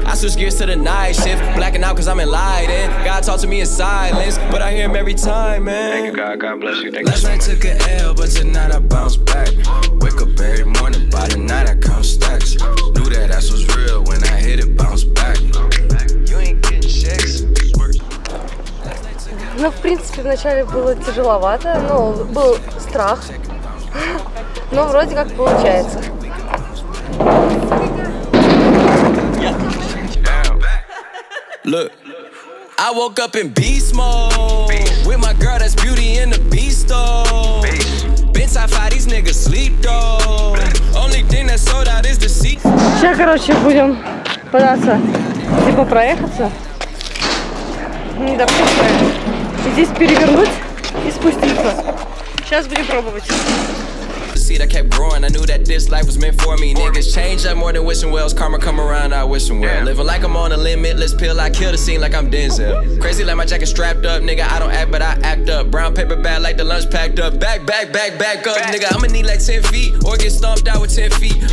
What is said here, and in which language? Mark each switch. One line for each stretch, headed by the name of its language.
English: I switch gears to the night shift. Blacking out cause I'm enlightened. God talk to me in silence, but I hear him every time, man. Thank you, God. God bless you. Thank you. Last night took an L, but tonight I bounce back. Wake up every morning, by the night I count stacks. Knew that ass was real when I hit it, bounce back. You ain't getting checks.
Russian: Ну, в принципе, вначале было тяжеловато, но был страх, но вроде как получается.
English: I woke up in beast mode, with my girl that's beauty in the beast though. Bitch, I fight these niggas sleep though, only thing that sold out is the seat.
Russian: Сейчас, короче, будем пытаться, типа, проехаться. Не допускаем. Здесь перевернуть и спуститься. Сейчас будем пробовать.
English: seed, I kept growing. I knew that this life was meant for me. Niggas change up more than wishing wells. Karma come around, I wish them well. Living like I'm on a limitless pill, I kill the scene like I'm Denzel. Crazy like my jacket strapped up, nigga, I don't act, but I act up. Brown paper bag like the lunch packed up. Back up, nigga, I'ma need like 10 feet or get stomped out with 10 feet.